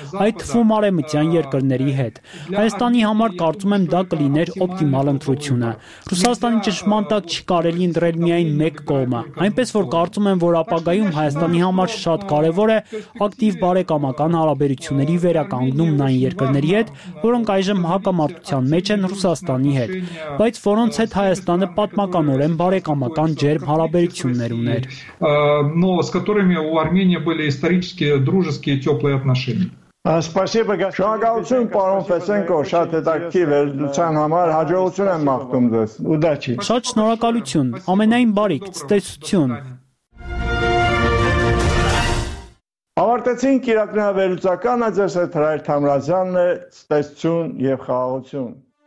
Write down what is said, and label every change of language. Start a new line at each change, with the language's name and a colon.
Armenian: այդ թվում արեմտյան երկրների հետ։ Հայաստանի համար կարծում եմ, դա կլիներ օպտիմալ ընտրությունը։ Ռուսաստանի ճշմարտ տակ չի կարելի ընտրել միայն մեկ կողմը, այնպես որ կարծում եմ, որ ապագայում Հայաստանի համար շատ կարևոր է ակտիվ բարեկամական հարաբերությունների վերականգնումն այն երկրների հետ, որոնք այժմ հակամարտության մեջ են Ռուսաստանի հետ, բայց որոնց հետ Հայաստանը պատմականորեն բարեկամական ջերմ հարաբերություններ ուներ,
Russian: но с которыми у Армении были исторические дружеские теплые отношения. Спасибо,
Armenian: շնորհակալություն, պարոն Ֆեսենկո, շատ հետաքրքիր էր լուսան համար, հաջողություն եմ մաղթում ձեզ, ուդաչի։ Շատ շնորհակալություն, ամենայն բարիք, ցտեսություն։ Ավարտեցինք իրաքնավերուցականը, ձեզ հետ Հրայր Թամրազյանն է, ցտեսություն եւ խաղաղություն։